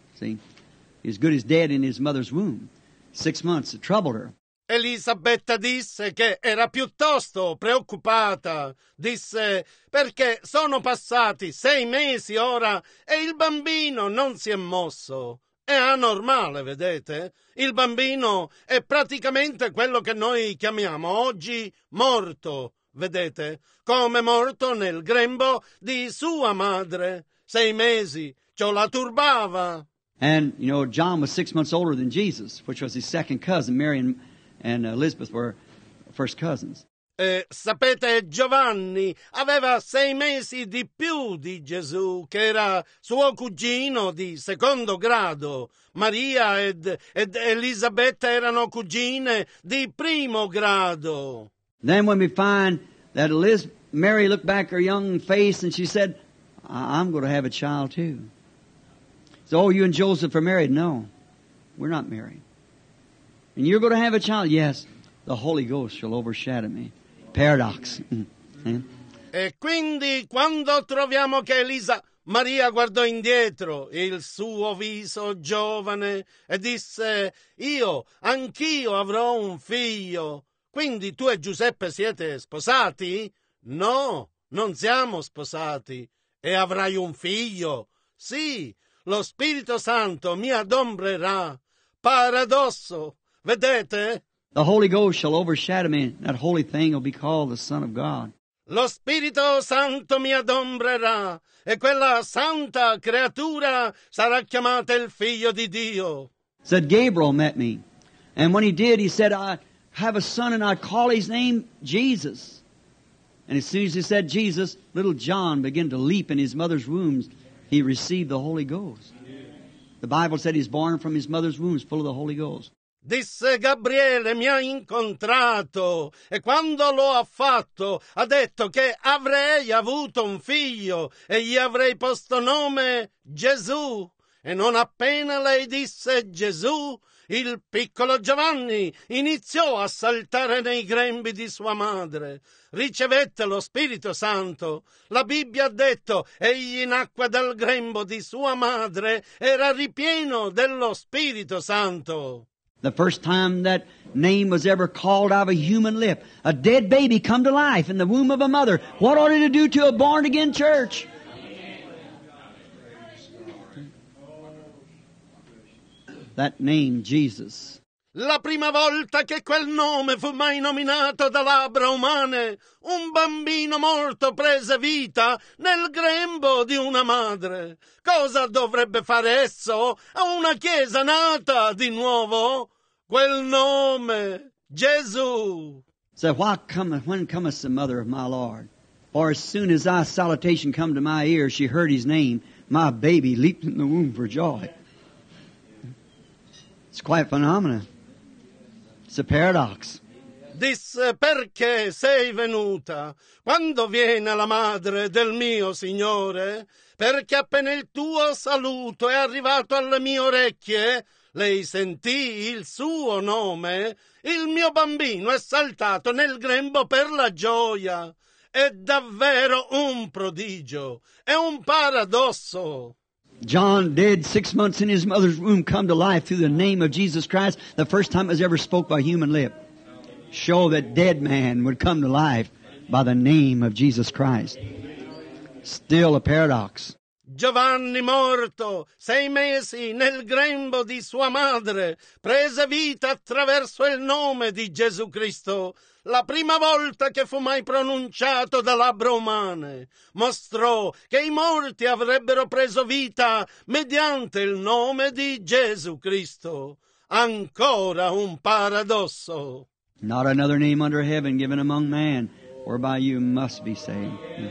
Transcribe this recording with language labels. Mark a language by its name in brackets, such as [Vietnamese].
[English] See, as good as dead in his mother's womb. 6 months, it troubled her. [Italian] Elisabetta disse che era piuttosto preoccupata. Disse, perché sono passati 6 mesi ora e il bambino non si è mosso. È anormale, vedete? Il bambino è praticamente quello che noi chiamiamo oggi morto. Vedete, come morto nel grembo di sua madre. 6 mesi, ciò la turbava. [English] And, you know, John was 6 months older than Jesus, which was his second cousin. Mary and Elizabeth were first cousins. [Italian] E sapete, Giovanni aveva 6 mesi di più di Gesù, che era suo cugino di secondo grado. Maria ed Elisabetta erano cugine di primo grado. [English] Then when we find that Mary looked back her young face and she said, I'm going to have a child too. So, oh, you and Joseph are married. No, we're not married. And you're going to have a child. Yes, the Holy Ghost shall overshadow me. Paradox. [Italian] E quindi quando troviamo che Maria guardò indietro il suo viso giovane e disse, io, anch'io avrò un figlio. Quindi tu e Giuseppe siete sposati? No, non siamo sposati. E avrai un figlio? Sì, lo Spirito Santo mi adombrerà. Paradosso, vedete? [English] The Holy Ghost shall overshadow me. That holy thing will be called the Son of God. [Italian] Lo Spirito Santo mi adombrerà. E quella santa creatura sarà chiamata il Figlio di Dio. [English] Said Gabriel met me. And when he did, he said, I have a son and I call his name Jesus. And as soon as he said Jesus, little John began to leap in his mother's womb. He received the Holy Ghost. The Bible said he's born from his mother's womb, full of the Holy Ghost. [Italian] Disse Gabriele, mi ha incontrato, e quando lo ha fatto, ha detto che avrei avuto un figlio e gli avrei posto nome Gesù. E non appena lei disse Gesù, il piccolo Giovanni iniziò a saltare nei grembi di sua madre. Ricevette lo Spirito Santo. La Bibbia ha detto, egli nacque dal grembo di sua madre, era ripieno dello Spirito Santo. [English] The first time that name was ever called out of a human lip, a dead baby come to life in the womb of a mother. What ought it to do to a born-again church? That name, Jesus. [Italian] La prima volta che quel nome fu mai nominato da labbra umane, un bambino morto prese vita nel grembo di una madre. Cosa dovrebbe fare esso a una chiesa nata di nuovo? Quel nome, Gesù. [English] So why come, when comest the mother of my Lord? For as soon as thy salutation come to my ear, she heard his name, my baby leaped in the womb for joy. It's quite a phenomenon. It's a paradox. [Italian] disse, perché sei venuta? Quando viene la madre del mio signore? Perché appena il tuo saluto è arrivato alle mie orecchie, lei sentì il suo nome, il mio bambino è saltato nel grembo per la gioia. È davvero un prodigio, è un paradosso. [English] John, dead 6 months in his mother's womb, come to life through the name of Jesus Christ, the first time it was ever spoke by human lip. Show that dead man would come to life by the name of Jesus Christ. Still a paradox. [Italian] Giovanni morto, 6 mesi nel grembo di sua madre, prese vita attraverso il nome di Gesù Cristo. La prima volta che fu mai pronunciato da labbra umane, mostrò che i morti avrebbero preso vita mediante il nome di Gesù Cristo. Ancora un paradosso. [English] Not another name under heaven given among man, whereby you must be saved.